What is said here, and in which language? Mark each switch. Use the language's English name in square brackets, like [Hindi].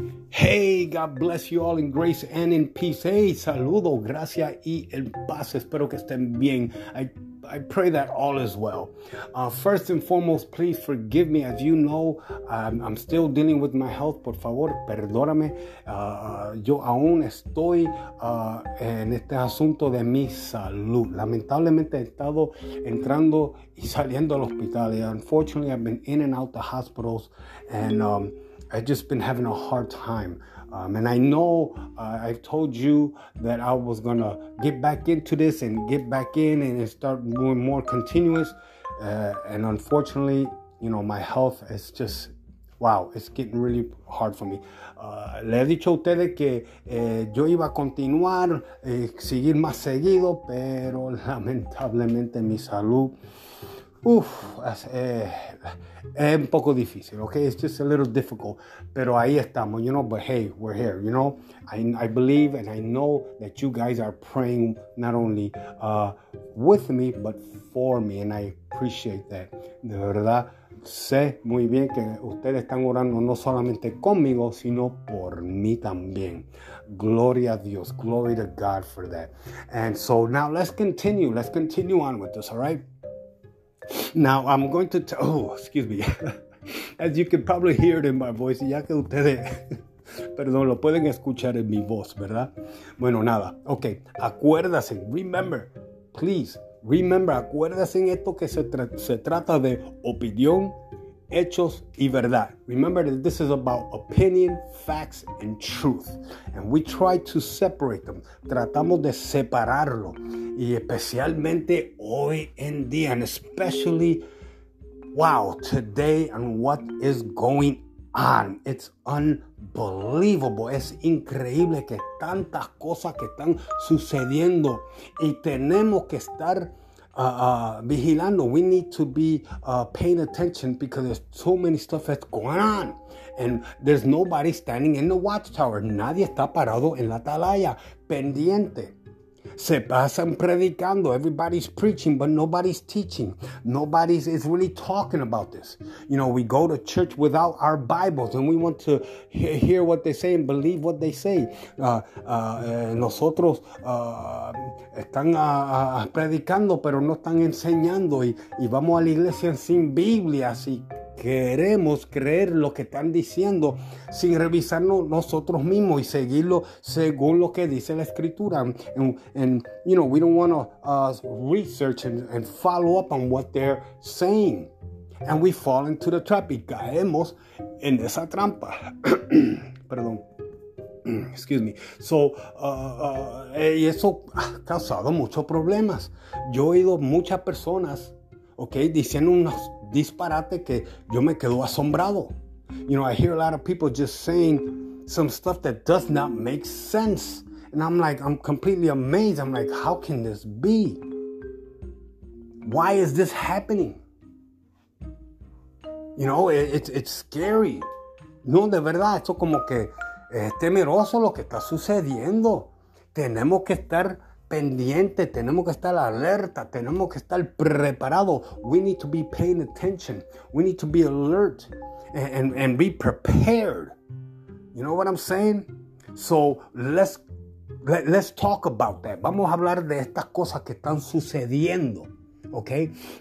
[English] Hey, God bless you all in grace and in peace. [Spanish] Hey, saludo, gracia y en paz. Espero que estén bien. [English] I pray that all is well. First and foremost, please forgive me. As you know, I'm still dealing with my health. [Spanish] Por favor, perdóname. Yo aún estoy en este asunto de mi salud. Lamentablemente, he estado entrando y saliendo al hospital. [English] Unfortunately, I've been in and out the hospitals. And I've just been having a hard time. And I know I've told you that I was going to get back into this and get back in and start doing more continuous. And unfortunately, you know, my health is just, wow, it's getting really hard for me. [Spanish] Le he dicho a ustedes que yo iba a continuar, seguir más seguido, pero lamentablemente mi salud, es un poco difícil, okay? [English] It's just a little difficult, [Spanish] pero ahí estamos, [English] you know, but hey, we're here, you know? I believe and I know that you guys are praying not only with me, but for me, and I appreciate that. [Spanish] De verdad, sé muy bien que ustedes están orando no solamente conmigo, sino por mí también. Gloria a Dios, [English] glory to God for that. And so now let's continue on with this, all right? Now, I'm going to tell, as you can probably hear it in my voice, [Spanish] ya que ustedes, perdón, lo pueden escuchar en mi voz, ¿verdad? Bueno, nada, okay, acuérdase, [English] remember, please, remember, [Spanish] acuérdase en esto que se trata de opinión, hechos y verdad. [English] Remember that this is about opinion, facts, and truth. And we try to separate them. [Spanish] Tratamos de separarlo. Y especialmente hoy en día. [English] And especially, wow, today and what is going on. It's unbelievable. [Spanish] Es increíble que tantas cosas que están sucediendo. Y tenemos que estar vigilando. [English] We need to be paying attention because there's so many stuff that's going on, and there's nobody standing in the watchtower. [Spanish] Nadie está parado en la atalaya, pendiente. Se pasan predicando. [English] Everybody's preaching, but nobody's teaching. Nobody's is really talking about this. You know, we go to church without our Bibles, and we want to hear what they say and believe what they say. [Spanish] Nosotros están predicando, pero no están enseñando, y vamos a la iglesia sin Biblia, así. Queremos creer lo que están diciendo sin revisarnos nosotros mismos y seguirlo según lo que dice la escritura. [English] And you know, we don't want to research and follow up on what they're saying. And we fall into the trap. [Spanish] Y caemos en esa trampa. Perdón. [English] Excuse me. [Spanish] So, y eso ha causado muchos problemas. Yo he oído muchas personas, okay, diciendo unos disparate que yo me quedo asombrado. [English] You know, I hear a lot of people just saying some stuff that does not make sense. And I'm like, I'm completely amazed. I'm like, how can this be? Why is this happening? You know, it's scary. [Spanish] No, de verdad, esto como que es temeroso lo que está sucediendo. Tenemos que estar pendiente, tenemos que estar alerta, tenemos que estar preparado. [English] We need to be paying attention. We need to be alert and be prepared. You know what I'm saying? So let's talk about that. [Spanish] Vamos a hablar de estas cosas que están sucediendo, okay?